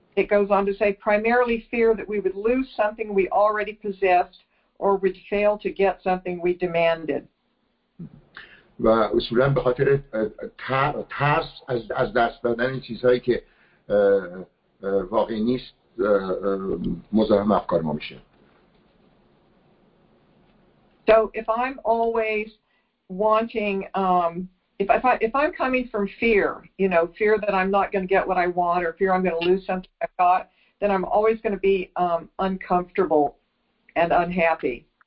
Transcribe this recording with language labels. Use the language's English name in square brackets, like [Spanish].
[English] It goes on to say primarily fear that we would lose something we already possessed or would fail to get something we demanded. [Persian] و اصولا به خاطر ترس از دست دادن چیزهایی که واقعی نیست مزاحم افکار ما میشه. [English] So if I'm always wanting, if I'm coming from fear, you know, fear that I'm not going to get what I want or fear I'm going to lose something I've got, then I'm always going to be uncomfortable and unhappy.